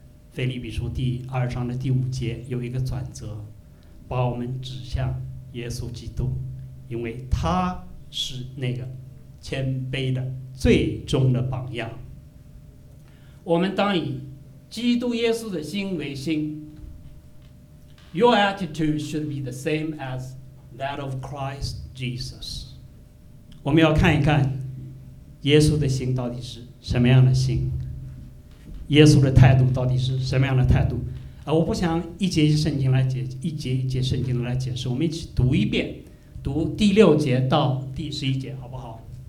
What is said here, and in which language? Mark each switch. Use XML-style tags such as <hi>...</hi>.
<zh>腓立比书第二章的第五节有一个转折，把我们指向耶稣基督，因为他是那个谦卑的最终的榜样。我们当以基督耶稣的心为心。</zh> <en>Your attitude should be the same as that of Christ Jesus.</en> <zh>我们要看一看耶稣的心到底是什么样的心，耶稣的态度到底是什么样的态度。我不想一节一节圣经来解释，一节一节圣经来解释，我们一起读一遍，读第六节到第十一节，好不好？</zh>